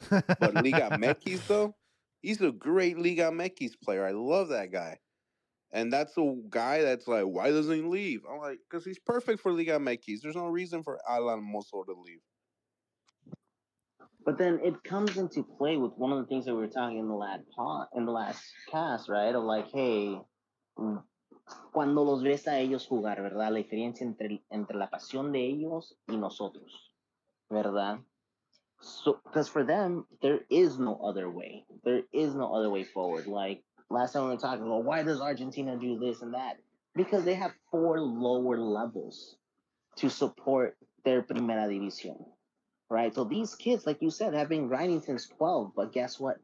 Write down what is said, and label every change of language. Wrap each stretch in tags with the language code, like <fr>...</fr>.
<en>But Liga MX, though, he's a great Liga MX player. I love that guy. And that's a guy that's like, why doesn't he leave? I'm like, because he's perfect for Liga MX. There's no reason for Alan Mozo to leave. But then it comes into play with one of the things that we were talking in the last cast, right? Of like, hey,</en> <es>cuando los ves a ellos jugar, ¿verdad? La diferencia entre la pasión de ellos y nosotros, ¿verdad?</es> <en>So, because for them, there is no other way. There is no other way forward. Like, last time we were talking about, why does Argentina do this and that? Because they have four lower levels to support their Primera División, right? So these kids, like you said, have been grinding since 12, but guess what?</en>